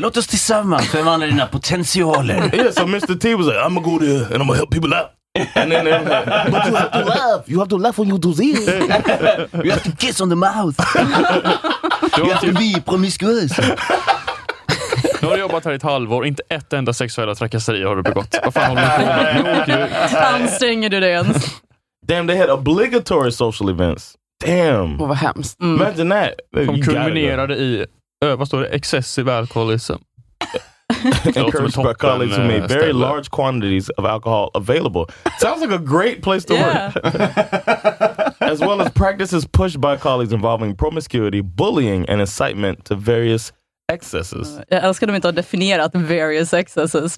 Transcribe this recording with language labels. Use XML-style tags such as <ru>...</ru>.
<sv>Låt oss tillsammans förvandla dina potentialer.</sv> <en>Yeah, so Mr. T was like, I'm gonna go there and I'm gonna help people out. And then, but you have to laugh. You have to laugh when you do this. You have to kiss on the mouth. You have to be promiscuous.</en> <sv>Nu har du jobbat här i ett halvår. Inte ett enda sexuella trakasserier har du begått. Vad fan håller du på med? Anstränger du det ens?</sv> <en>Damn, they had obligatory social events. Damn.</en> <sv>Oh, vad hemskt.</sv> <en>Mm. Imagine that.</en> <sv>Som kulminerade i, vad står det?</sv> <en>Excessive alcoholism. Encouraged by colleagues who made very large quantities of alcohol available. Sounds like a great place to work. As well as practices pushed by colleagues involving promiscuity, bullying and incitement to various excesses.</en> <sv>Jag älskar att de inte har definierat</sv> <en>various excesses.</en>